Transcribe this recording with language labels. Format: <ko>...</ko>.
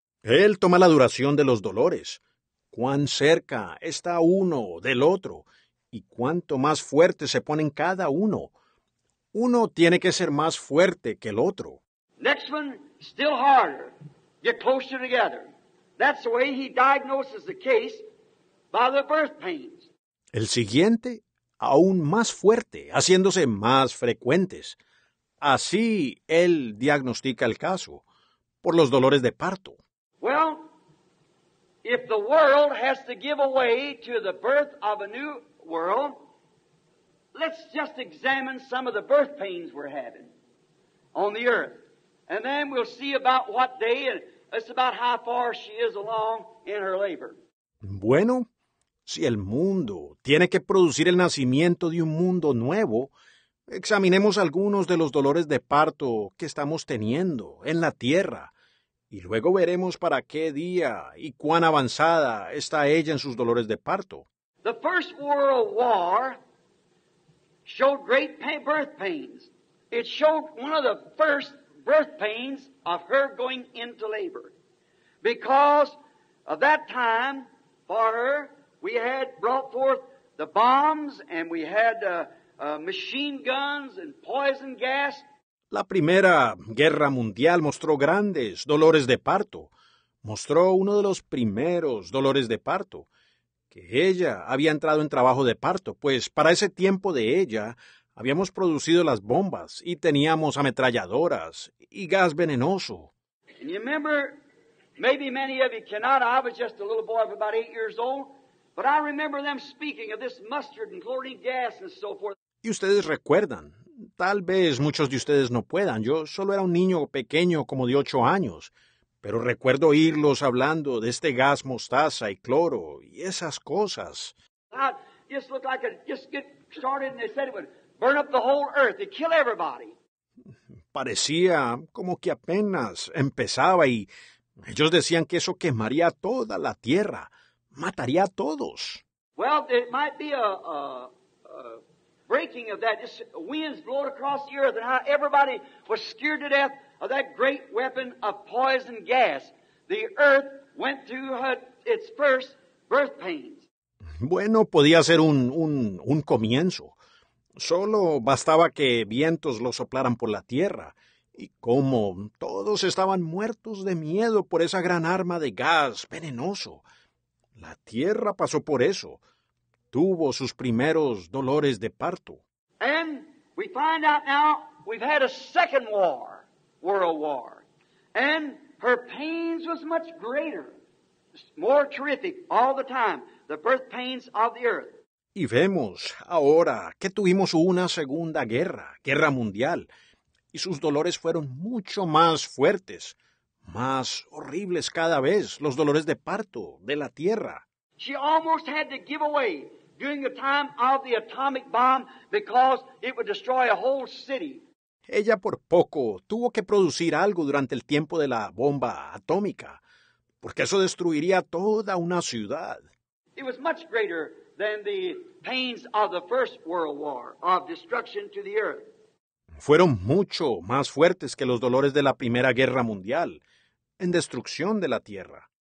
<es>Él toma la duración de los dolores. Cuán cerca está uno del otro y cuánto más fuerte se ponen cada uno. Uno tiene que ser más fuerte que el otro.</es> <en>Next one, still harder. Get closer together. That's the way he diagnoses the case by the birth pains.</en> <es>El siguiente, aún más fuerte, haciéndose más frecuentes. Así él diagnostica el caso, por los dolores de parto.</es> <en>Well, if the world has to give away to the birth of a new world, let's just examine some of the birth pains we're having on the earth. And then we'll see about what day, and it's about how far she is along in her labor.</en> <es>Bueno, si el mundo tiene que producir el nacimiento de un mundo nuevo, examinemos algunos de los dolores de parto que estamos teniendo en la tierra y luego veremos para qué día y cuán avanzada está ella en sus dolores de parto.</es> <en>The First World War showed great birth pains. It showed one of the first birth pains of her going into labor. Because of that time, for her, we had brought forth the bombs and we had machine guns and poison gas.</en> <es>La Primera Guerra Mundial mostró grandes dolores de parto. Mostró uno de los primeros dolores de parto, que ella había entrado en trabajo de parto, pues para ese tiempo de ella habíamos producido las bombas y teníamos ametralladoras y gas venenoso.</es> <en>And you remember, maybe many of you cannot, I was just a little boy of about 8 years old, but I remember them speaking of this mustard and chlorine gas and so forth.</en> <es>Y ustedes recuerdan, tal vez muchos de ustedes no puedan, yo solo era un niño pequeño como de 8 años, pero recuerdo oírlos hablando de este gas mostaza y cloro y esas cosas.</es> <en>It just looked like it just get started and they said it would burn up the whole earth, it'd kill everybody.</en> <es>Parecía como que apenas empezaba y ellos decían que eso quemaría toda la tierra, mataría a todos.</es> <en>Well, it might be a breaking of that. Just winds blowed across the earth and how everybody was scared to death of that great weapon of poison gas. The earth went through its first birth pains.</en> <es>Bueno, podía ser un comienzo. Solo bastaba que vientos lo soplaran por la tierra, y como todos estaban muertos de miedo por esa gran arma de gas venenoso, la tierra pasó por eso, tuvo sus primeros dolores de parto.</es> <en>And we find out now we've had a second war, world war, and her pains was much greater, more terrific all the time, the birth pains of the earth.</en> <es>Y vemos ahora que tuvimos una segunda guerra, guerra mundial, y sus dolores fueron mucho más fuertes, más horribles cada vez, los dolores de parto de la tierra.</es> <en>She almost had to give away during the time of the atomic bomb because it would destroy a whole city.</en> <es>Ella por poco tuvo que producir algo durante el tiempo de la bomba atómica, porque eso destruiría toda una ciudad.</es> <en>It was much greater than the pains of the First World War of destruction to the earth.</en> <es>Fueron mucho más fuertes que los dolores de la Primera Guerra Mundial en destrucción de la tierra.</es>